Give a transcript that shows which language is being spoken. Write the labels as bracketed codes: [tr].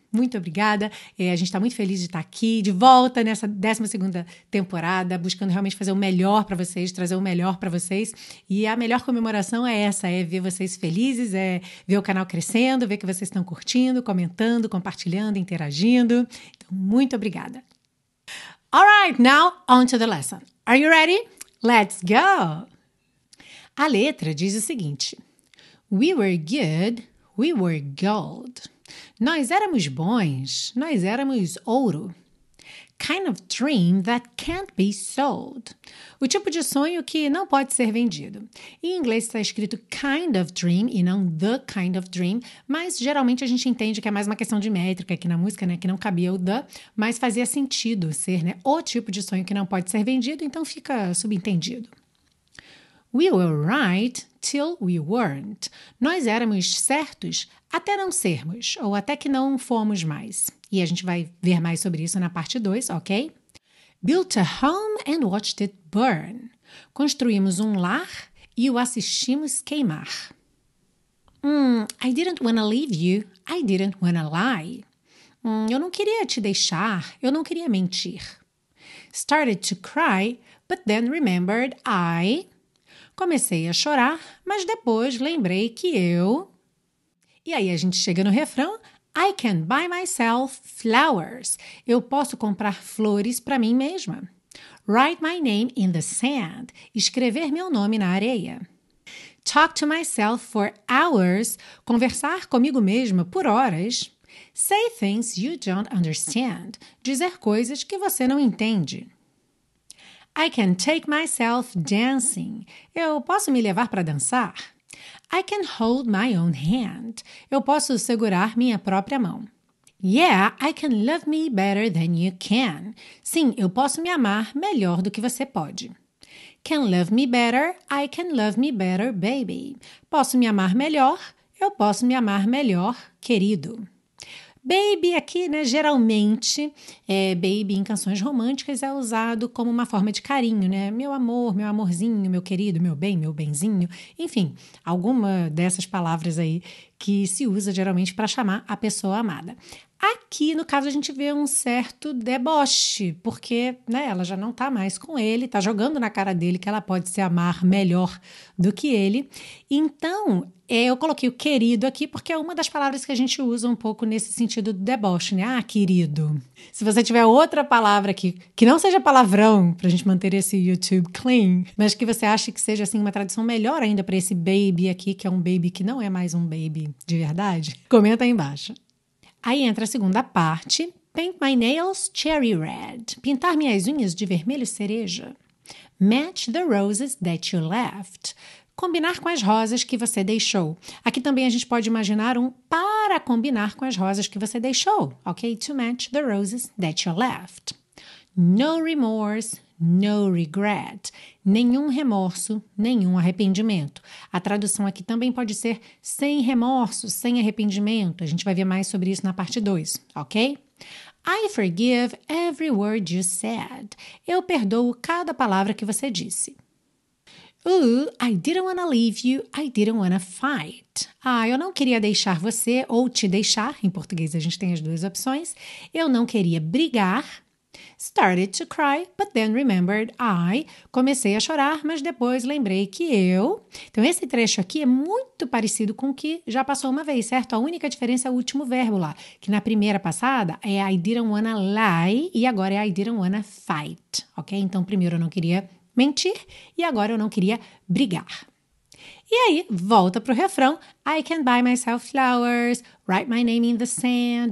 [pt] Muito obrigada, a gente está muito feliz de estar aqui, de volta nessa 12ª temporada, buscando realmente fazer o melhor para vocês, trazer o melhor para vocês, e a melhor comemoração é essa, é ver vocês felizes, é ver o canal crescendo, ver que vocês estão curtindo, comentando, compartilhando, interagindo. Então, muito obrigada. [en] All right, now on to the lesson. Are you ready? Let's go! [pt] A letra diz o seguinte: [en] we were good, we were gold. [pt] Nós éramos bons, nós éramos ouro. [en] Kind of dream that can't be sold. [pt] O tipo de sonho que não pode ser vendido. Em inglês está escrito [en] kind of dream [pt] e não [en] the kind of dream, [pt] mas geralmente a gente entende que é mais uma questão de métrica aqui na música, né? Que não cabia o the, mas fazia sentido ser, né? O tipo de sonho que não pode ser vendido, então fica subentendido. [en] We were right till we weren't. [pt] Nós éramos certos até não sermos, ou até que não fomos mais. E a gente vai ver mais sobre isso na parte 2, ok? [en] Built a home and watched it burn. [pt] Construímos um lar e o assistimos queimar. [en] I didn't wanna leave you. I didn't wanna lie. [pt] Eu não queria te deixar. Eu não queria mentir. [en] Started to cry, but then remembered I... [pt] Comecei a chorar, mas depois lembrei que eu... E aí a gente chega no refrão, [en] I can buy myself flowers. [pt] Eu posso comprar flores para mim mesma. [en] Write my name in the sand. [pt] Escrever meu nome na areia. [en] Talk to myself for hours. [pt] Conversar comigo mesma por horas. [en] Say things you don't understand. [pt] Dizer coisas que você não entende. [en] I can take myself dancing. [pt] Eu posso me levar para dançar. [en] I can hold my own hand. [pt] Eu posso segurar minha própria mão. [en] Yeah, I can love me better than you can. [pt] Sim, eu posso me amar melhor do que você pode. [en] Can love me better? I can love me better, baby. [pt] Posso me amar melhor? Eu posso me amar melhor, querido. Baby aqui, né, geralmente, baby em canções românticas é usado como uma forma de carinho, né? Meu amor, meu amorzinho, meu querido, meu bem, meu benzinho. Enfim, alguma dessas palavras aí que se usa geralmente para chamar a pessoa amada. Aqui, no caso, a gente vê um certo deboche, porque, né, ela já não tá mais com ele, tá jogando na cara dele que ela pode se amar melhor do que ele. Então, eu coloquei o querido aqui porque é uma das palavras que a gente usa um pouco nesse sentido do deboche, né? Ah, querido. Se você tiver outra palavra aqui, que não seja palavrão, pra gente manter esse YouTube clean, mas que você ache que seja, assim, uma tradução melhor ainda para esse baby aqui, que é um baby que não é mais um baby de verdade, comenta aí embaixo. Aí entra a segunda parte. [en] Paint my nails cherry red. [pt] Pintar minhas unhas de vermelho cereja. [en] Match the roses that you left. [pt] Combinar com as rosas que você deixou. Aqui também a gente pode imaginar um para combinar com as rosas que você deixou. Ok? [en] To match the roses that you left. No remorse, no regret. [pt] Nenhum remorso, nenhum arrependimento. A tradução aqui também pode ser sem remorso, sem arrependimento. A gente vai ver mais sobre isso na parte 2, ok? [en] I forgive every word you said. [pt] Eu perdoo cada palavra que você disse. [en] Ooh, I didn't wanna leave you, I didn't wanna fight. [pt] Ah, eu não queria deixar você ou te deixar. Em português a gente tem as duas opções. Eu não queria brigar. [en] Started to cry, but then remembered I. [pt] Comecei a chorar, mas depois lembrei que eu. Então, esse trecho aqui é muito parecido com o que já passou uma vez, certo? A única diferença é o último verbo lá, que na primeira passada é [en] I didn't wanna lie [pt] e agora é [en] I didn't wanna fight, [pt] ok? Então, primeiro eu não queria mentir e agora eu não queria brigar. E aí, volta pro refrão. [en] I can buy myself flowers, write my name in the sand.